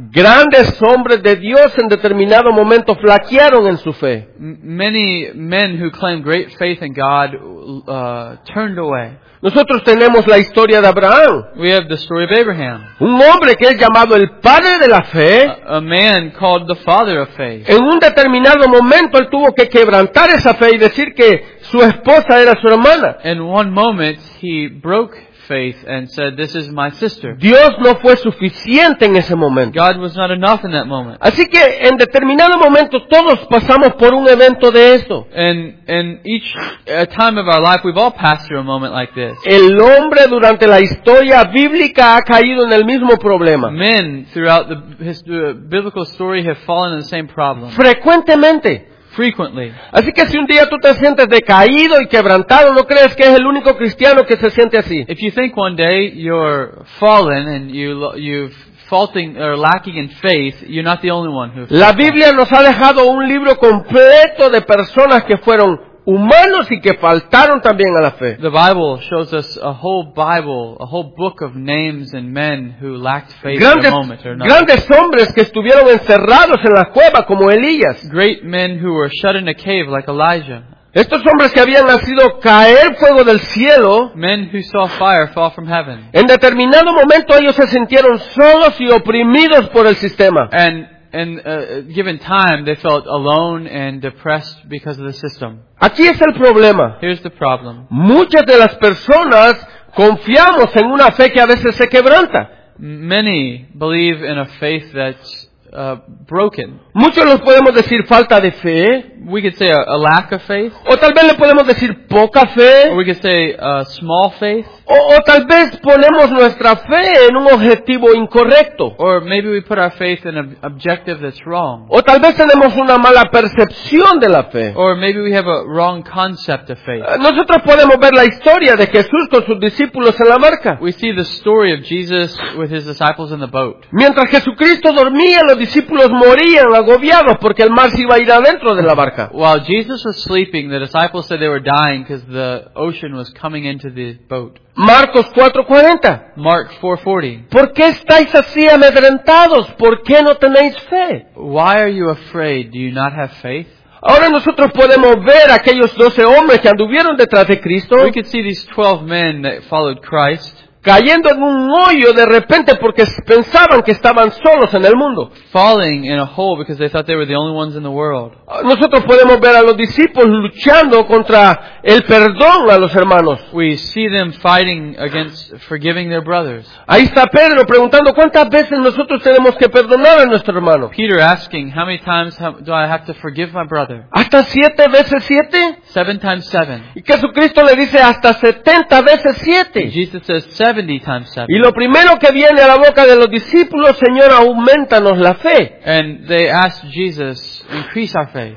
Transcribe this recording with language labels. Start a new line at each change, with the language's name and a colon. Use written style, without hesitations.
Spanish: Grandes hombres de Dios en determinado momento flaquearon en su fe.
English: Many men who claimed great faith in God turned away.
Spanish: Nosotros tenemos la historia de Abraham.
English: We have the story of Abraham.
Spanish: Un hombre que es llamado el padre de la fe.
English: A man called the father of faith.
Spanish: En un determinado momento él tuvo que quebrantar esa fe y decir que su esposa era su hermana.
English: In one moment he broke faith and said, "This is my sister."
Spanish: Dios no fue suficiente en ese momento.
English: God was not enough in that moment.
Spanish: Así que en determinado momento todos pasamos por un evento de esto.
English: In each time of our life, we've all passed through a moment like this.
Spanish: El hombre durante la historia bíblica ha caído en el mismo problema.
English: Men throughout the history, biblical story have fallen in the same problem.
Spanish: Frecuentemente.
English: Frequently.
Spanish: Así que si un día tú te sientes decaído y quebrantado, ¿no crees que es el único cristiano que se siente así?
English: If you think one day you're fallen and you've faulting or lacking in faith, you're not the only one who.
Spanish: La Biblia nos ha dejado un libro completo de personas que fueron humanos y que faltaron también a la fe.
English: The Bible shows us a whole Bible, a whole book of names and men who lacked faith at a moment or not.
Spanish: Grandes hombres que estuvieron encerrados en la cueva como Elías.
English: Great men who were shut in a cave like Elijah.
Spanish: Estos hombres que habían nacido caer fuego del cielo.
English: Men who saw fire fall from heaven.
Spanish: En determinado momento ellos se sintieron solos y oprimidos por el sistema.
English: And given time, they felt alone and depressed because of the system.
Spanish: Aquí es el problema.
English: Here's the problem.
Spanish: Muchas de las personas confiamos en una fe que a veces se quebranta.
English: Many believe in a faith that's broken.
Spanish: Muchos los podemos decir falta de fe.
English: We could say a lack of faith.
Spanish: O tal vez le podemos decir poca fe.
English: Or we could say a small faith.
Spanish: O tal vez ponemos nuestra fe en un objetivo incorrecto.
English: Or maybe we put our faith in an objective that's wrong.
Spanish: O tal vez tenemos una mala percepción de la fe.
English: Or maybe we have a wrong concept of faith.
Spanish: Nosotros podemos ver la historia de Jesús con sus discípulos en la barca.
English: We see the story of Jesus with his disciples in the boat.
Spanish: Mientras Jesucristo dormía, los discípulos morían agobiados porque el mar se iba a ir adentro de la barca.
English: While Jesus was sleeping, the disciples said they were dying because the ocean was coming into the boat.
Spanish: Marcos 4:40.
English: Mark 4:40.
Spanish: ¿Por qué estáis así amedrentados? ¿Por qué no tenéis fe?
English: Why are you afraid? Do you not have faith?
Spanish: Ahora nosotros podemos ver aquellos 12 hombres que anduvieron detrás de Cristo.
English: We can see these 12 men that followed Christ.
Spanish: Cayendo en un hoyo de repente porque pensaban que estaban solos en el mundo.
English: Falling in a hole because they thought they were the only ones in the world.
Spanish: Nosotros podemos ver a los discípulos luchando contra el perdón a los hermanos.
English: We see them fighting against forgiving their brothers.
Spanish: Ahí está Pedro preguntando cuántas veces nosotros tenemos que perdonar a nuestro hermano.
English: Peter asking, how many times do I have to forgive my brother?
Spanish: ¿Hasta 7 veces 7?
English: 7 times 7.
Spanish: Y Jesucristo le dice hasta 70 veces 7.
English: Jesus says 70 times 7.
Spanish: Y lo primero que viene a la boca de los discípulos, Señor, auméntanos la fe.
English: And they ask Jesus, increase our faith.